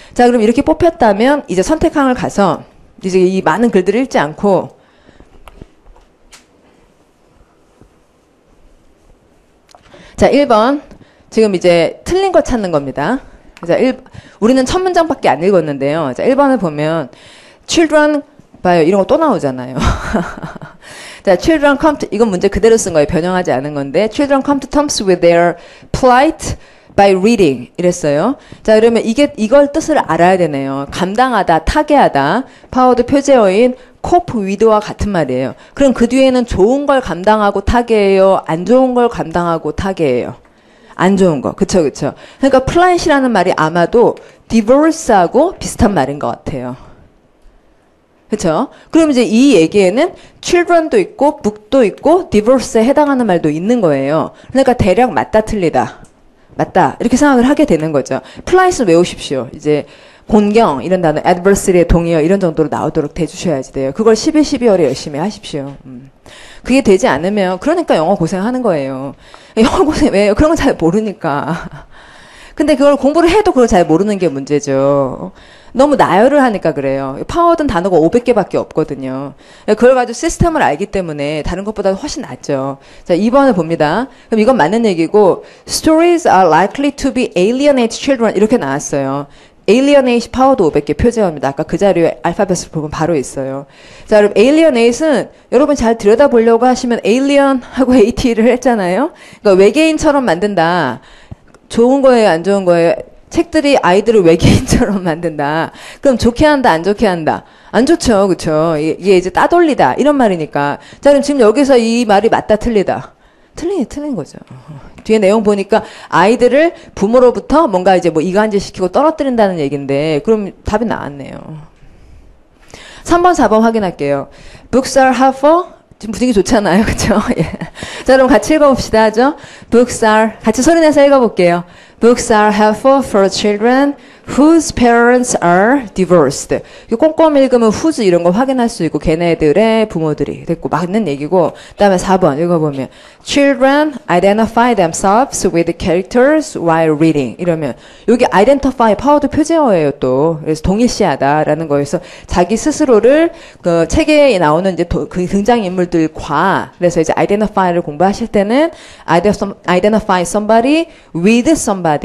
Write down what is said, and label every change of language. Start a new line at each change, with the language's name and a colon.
Korean: 자, 그럼 이렇게 뽑혔다면 이제 선택항을 가서 이제 이 많은 글들을 읽지 않고, 자, 1번. 지금 이제 틀린 거 찾는 겁니다. 자, 우리는 첫 문장밖에 안 읽었는데요. 자, 1번을 보면, children, 봐요. 이런 거또 나오잖아요.
English: 자, children come to,
Korean: 이건 문제 그대로 쓴 거예요. 변형하지 않은 건데,
English: children come to terms with their plight by reading
Korean: 이랬어요. 자, 그러면 이걸 뜻을 알아야 되네요. 감당하다, 타개하다. 파워드 표제어인 cope with와 같은 말이에요. 그럼 그 뒤에는 좋은 걸 감당하고 타개해요? 안 좋은 걸 감당하고 타개해요? 안 좋은 거. 그쵸, 그쵸. 그러니까 플랜시라는 말이 아마도 divorce하고 비슷한 말인 것 같아요. 그쵸? 그럼 이제 이 얘기에는 children도 있고, book도 있고, divorce에 해당하는 말도 있는 거예요. 그러니까 대략 맞다, 틀리다. 맞다. 이렇게 생각을 하게 되는 거죠. 플라이스 외우십시오. 이제 곤경 이런 단어, adversary의 동의어 이런 정도로 나오도록 대주셔야지 돼요. 그걸 11, 12월에 열심히 하십시오. 그게 되지 않으면 그러니까 영어 고생하는 거예요. 영어 고생 왜요? 그런 거잘 모르니까. 근데 그걸 공부를 해도 그걸 잘 모르는 게 문제죠. 너무 나열을 하니까 그래요. 파워든 단어가 500개밖에 없거든요. 그걸 가지고 시스템을 알기 때문에 다른 것보다 훨씬 낫죠. 자, 2번을 봅니다. 그럼 이건 맞는 얘기고,
English: Stories are likely to be alienate children.
Korean: 이렇게 나왔어요. Alienate 파워도 500개 표제어입니다. 아까 그 자리에 알파벳을 보면 바로 있어요. 자, 그럼 alienate은 여러분 잘 들여다보려고 하시면 alien 하고 at를 했잖아요. 그러니까 외계인처럼 만든다. 좋은 거예요, 안 좋은 거예요? 책들이 아이들을 외계인처럼 만든다. 그럼 좋게 한다, 안 좋게 한다? 안 좋죠, 그쵸? 이게 이제 따돌리다. 이런 말이니까. 자, 그럼 지금 여기서 이 말이 맞다, 틀리다? 틀린 거죠. 뒤에 내용 보니까 아이들을 부모로부터 뭔가 이제 뭐 이간질시키고 떨어뜨린다는 얘기인데, 그럼 답이 나왔네요. 3번, 4번 확인할게요.
English: Books are helpful.
Korean: 지금 분위기 좋잖아요, 그쵸? 예. 자, 그럼 같이 읽어봅시다, 하죠? Books are, 같이 소리내서 읽어볼게요.
English: Books are helpful for children whose parents are divorced.
Korean: 꼼꼼히 읽으면 whose 이런 거 확인할 수 있고, 걔네들의 부모들이 됐고, 맞는 얘기고, 그다음에 4번 읽어보면,
English: Children identify themselves with characters while reading.
Korean: 이러면, 여기 identify, 파워드 표제어예요, 또. 그래서 동일시하다라는 거에서, 자기 스스로를, 그, 책에 나오는 이제 그 등장인물들과, 그래서 이제 identify를 공부하실 때는, identify somebody with somebody.